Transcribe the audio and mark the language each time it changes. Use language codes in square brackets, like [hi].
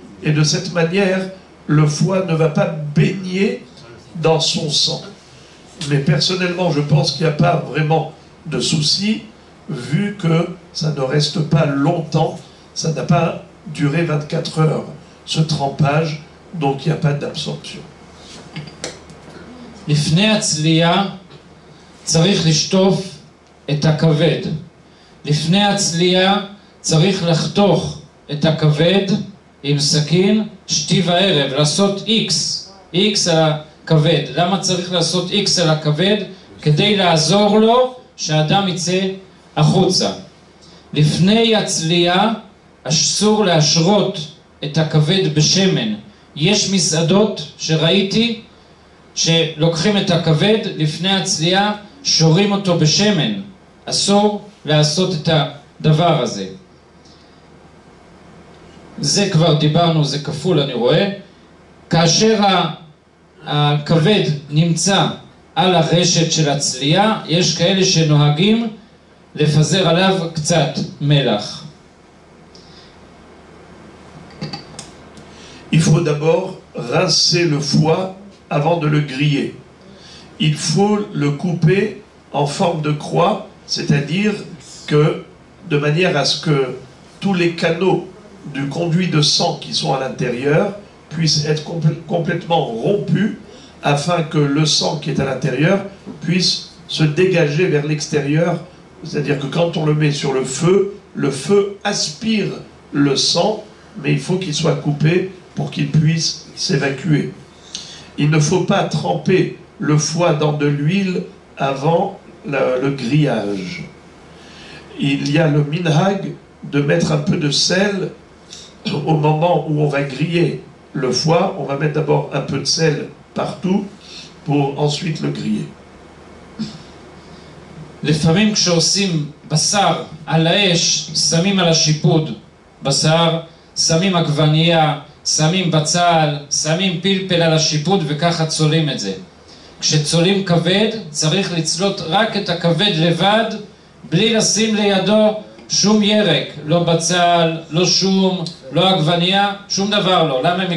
[fr] Et de cette manière, le foie ne va pas baigner dans son sang. Mais personnellement, je pense qu'il n'y a pas vraiment de souci, vu que ça ne reste pas longtemps, ça n'a pas duré 24 heures, ce trempage, donc il n'y a pas d'absorption. [he] לפני הצליה צריך לשטוף את הכבד. לפני הצליה צריך לחתוך את הכבד עם סכין שתי וערב, לעשות X על כבד. למה צריך לעשות X על הכבד? כדי לעזור לו שהדם יצא החוצה. לפני הצליה אסור להשרות את הכבד בשמן. יש מסעדות שראיתי שלוקחים את הכבד לפני הצליה, שורים אותו בשמן. אסור לעשות את הדבר הזה. זה כבר דיברנו, זה כפול אני רואה. כאשר הכבד נמצא על הרשת של הצליה, יש כאלה שנוהגים לפזר עליו קצת מלח. [fr] Il faut d'abord rincer le foie avant de le griller. Il faut le couper en forme de croix, c'est-à-dire que de manière à ce que tous les canaux du conduit de sang qui sont à l'intérieur puissent être complètement rompus, afin que le sang qui est à l'intérieur puisse se dégager vers l'extérieur. C'est-à-dire que quand on le met sur le feu aspire le sang, mais il faut qu'il soit coupé pour qu'il puisse s'évacuer. Il ne faut pas tremper le foie dans de l'huile avant le grillage. Il y a le minhag de mettre un peu de sel au moment où on va griller le foie. On va mettre d'abord un peu de sel partout pour ensuite le griller. [he] לפעמים כשעושים בשר על האש, שמים על השיפוד בשר, שמים עגבנייה, שמים בצל, שמים פלפל על השיפוד וככה צולים את זה. כשצולים כבד, צריך לצלות רק את הכבד לבד, בלי לשים לידו שום ירק, לא בצל, לא שום, לא עגבנייה, שום דבר לא. למה?